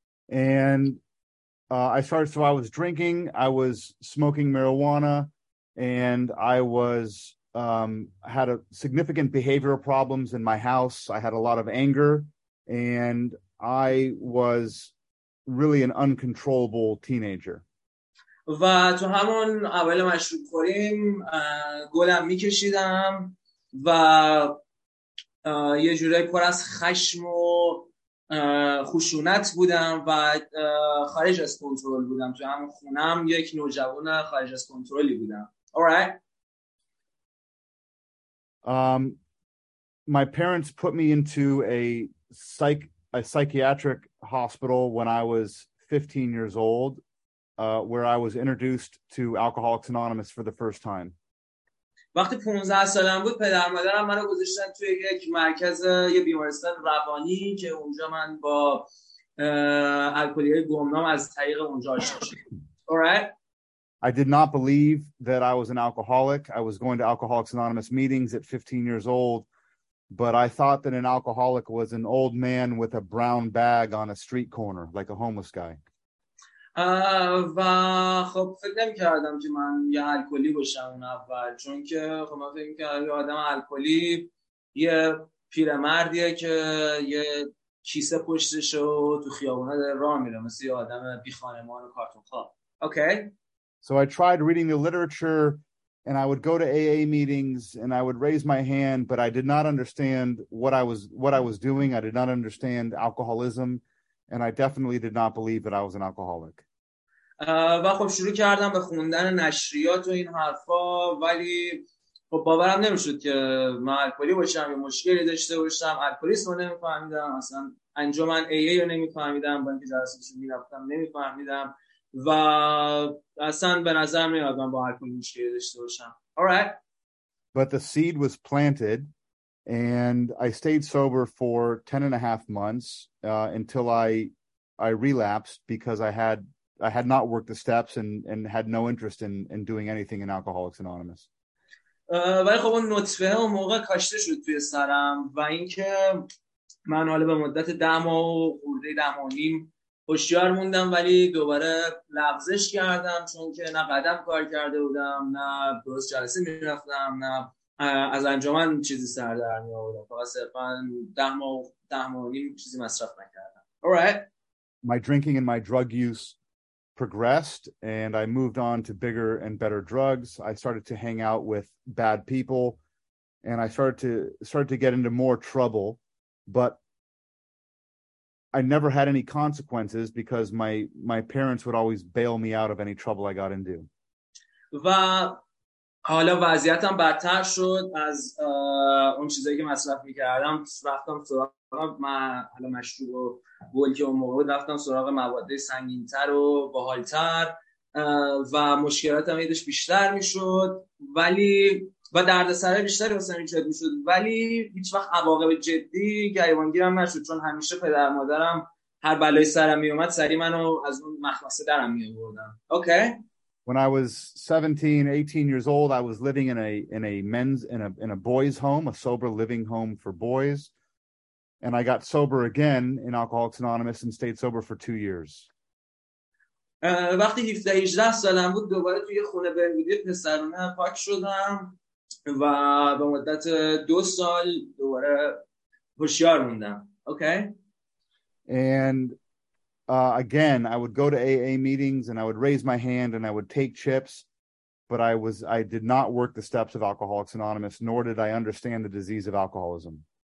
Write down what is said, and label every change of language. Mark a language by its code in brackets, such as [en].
[en] And I was drinking, I was smoking marijuana, and I was had a significant behavioral problems in my house. I had a lot of anger, and I was really an uncontrollable teenager. [fa] و تو همون اول مشروب خوریم گلم میکشیدم و یه جورایی پر از خشم و خشونت بودم و خارج از کنترل بودم. تو همون خونم یک نوجوان خارج از کنترلی بودم. [en] My parents put me into a psychiatric hospital when I was 15 years old, where I was introduced to Alcoholics Anonymous for the first time. [fa] وقتی 15 سالم بود پدر مادرم منو گذاشتن توی یک مرکز یه بیمارستان روانی که اونجا من با الکلی گمنام از طریق اونجا آشنا شدم. [en] Alright. I did not believe that I was an alcoholic. I was going to Alcoholics Anonymous meetings at 15 years old, but I thought that an alcoholic was an old man with a brown bag on a street corner, like a homeless guy. [fa] و خب فکر نمی کردم که من یه الکلی باشم اون اول، چون که خب من فکر می کردم یه آدم الکلی یه پیرمردیه که یه کیسه پشتش و تو خیابونه داره راه میره مثل یه آدم بی خانمان و کارتون خواب. [en] Okay So I tried reading the literature and I would go to AA meetings and I would raise my hand, but I did not understand what I was doing. I did not understand alcoholism and I definitely did not believe that I was an alcoholic. [fa] و خب شروع کردم به خوندن نشریات و این حرفا، ولی خب باورم نمیشد که من الکلی باشم، یه مشکلی داشته باشم. الکلیسم رو نمیفهمیدم، اصلا انجمن AA رو نمیفهمیدم، با اینکه جلساتش میرفتم نمیفهمیدم و اصلا به نظر می آمد من با الکل مشکلی داشته باشم. [en] All right. But the seed was planted and I stayed sober for 10.5 months until I relapsed because I had not worked the steps and had no interest in doing anything in Alcoholics Anonymous. [fa] ولی خب اون نطفه اون موقع کاشته شد توی سرم و اینکه من حالا به مدت 10 ماه و 10 ماه و نیم هوشیار موندم، ولی دوباره لغزش کردم چون که نه قدم کار کرده بودم، نه درست جلسه می رفتم، نه از انجامن چیزی سر در می آوردم، فقط صرفا 10 ماه و 10 ماه و نیم چیزی مصرف نکردم. [en] Alright. My drinking and my drug use progressed and I moved on to bigger and better drugs. I started to hang out with bad people and I started to get into more trouble, but I never had any consequences because my parents would always bail me out of any trouble I got into. [fa] و حالا وضعیتم بدتر شد از اون چیزایی که مصرف می‌کردم. رفتم سراغ حالا مشروب و گل که اون موقع بود، رفتم سراغ مواد سنگین‌تر و باحال‌تر و مشکلاتم ایدش بیشتر می‌شد، ولی و دردسر بیشتری واسه من ایجاد می‌شد، ولی هیچ وقت عواقب جدی گریبانگیرم نشد، چون همیشه پدر مادرم هر بلایی سرم میومد سری منو از اون مخمصه درم میآوردن. [en] Okay When I was 17, 18 years old, I was living in a boys' home, a sober living home for boys. And I got sober again in Alcoholics Anonymous and stayed sober for 2 years. [fa] وقتی 17, 18 سالم بود دوباره توی خونه بهبودی پسرانه پاک شدم و به مدت 2 سال دوباره هوشیار موندم. [en] Okay. And again, I would go to AA meetings and I would raise my hand and I would take chips, but I did not work the steps of Alcoholics Anonymous, nor did I understand the disease of alcoholism.